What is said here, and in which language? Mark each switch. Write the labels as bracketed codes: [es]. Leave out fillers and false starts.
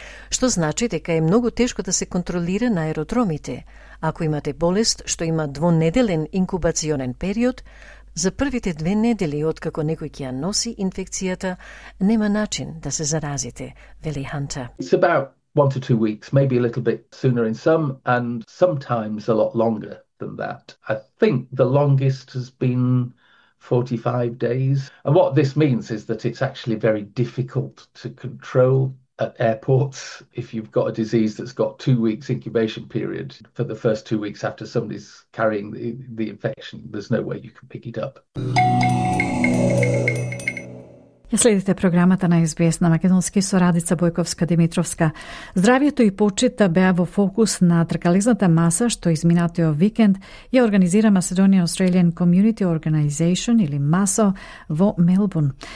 [mk] Што значи дека е многу тешко да се контролира на аеродромите. Ако имате болест што има двонеделен инкубационен период, за првите две недели откако некој ќе ја носи инфекцијата, нема начин да се заразите, вели Ханта. [en] 1 to 2 weeks, maybe a little bit sooner in some, and sometimes a lot longer than that. I think the longest has been 45 days. And what this means is that it's actually very difficult to control at airports, if you've got a disease that's got 2 weeks incubation period for the first 2 weeks after somebody's carrying the infection, there's no way you can pick it up. [mk] Следите програмата на SBS на Македонски со Радица Бојковска-Димитровска. Здравјето и почитта беа во фокус на тркализната маса што изминатиот викенд ја организира Macedonia Australian Community Organization или МАСО во Мелбурн.